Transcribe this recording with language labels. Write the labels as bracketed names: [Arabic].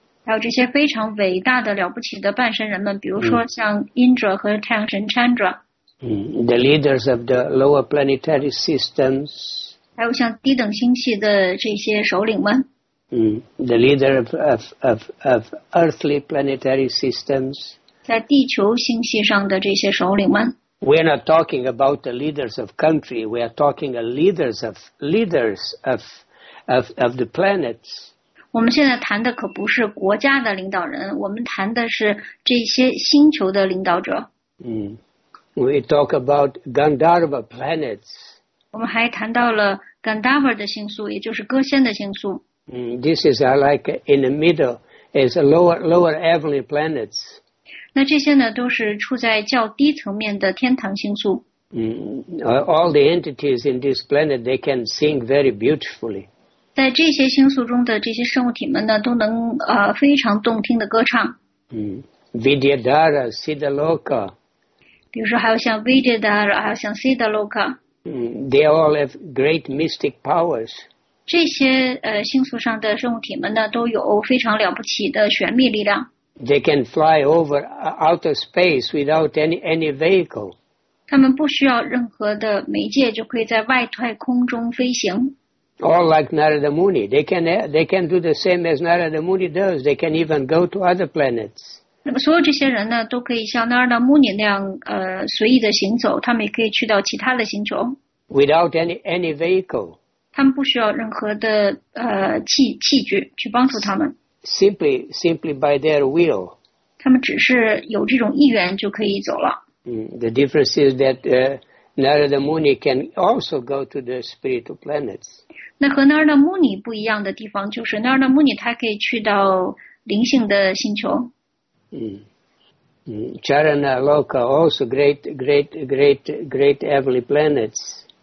[Chinese] 还有这些非常伟大的了不起的半神人们比如说像 Indra 和太阳神 Chandra。 [English] The leaders of the lower planetary systems. [Chinese] 还有像低等星系的这些首领们。 [English] The leader of earthly planetary systems. [Chinese] 在地球星系上的这些首领们。 [English] We are not talking about the leaders of country. We are talking of leaders of the planets. [Chinese] 我们现在谈的可不是国家的领导人，我们谈的是这些星球的领导者。 [English] We talk about Gandharva planets. [Chinese] 我们还谈到了 Gandharva 的星宿，也就是歌仙的星宿。 [English] This is like in the middle, is lower heavenly planets. [Chinese] 那这些呢，都是处在较低层面的天堂星宿。 [English] All the entities in this planet, they can sing very beautifully. [Chinese] 在这些星宿中的这些生物体们呢，都能非常动听的歌唱。 [English] Vidyadhara, Siddhaloka. [Chinese] 比如说还有像 Vidyadhara 还有像 Siddhaloka [English] They all have great mystic powers [Chinese] 这些星宿上的生物体们呢都有非常了不起的玄秘力量 [English] They can fly over outer space without any vehicle [Chinese] 他们不需要任何的媒介就可以在外太空中飞行 [English] All like Narada Muni they can do the same as Narada Muni does they can even go to other planets [Chinese] 那么所有这些人呢都可以像 Narada Muni 那样随意的行走他们也可以去到其他的星球。 [English] Without any vehicle. [Chinese] 他们不需要任何的器具去帮助他们。 [English] Simply by their will. [Chinese] 他们只是有这种意愿就可以走了。 [English] The difference is that Narada Muni can also go to the spiritual planets. [Chinese] 那和 Narada Muni 不一样的地方就是 Narada Muni 他可以去到灵性的星球。 [English] Charana Loka also great heavenly planets.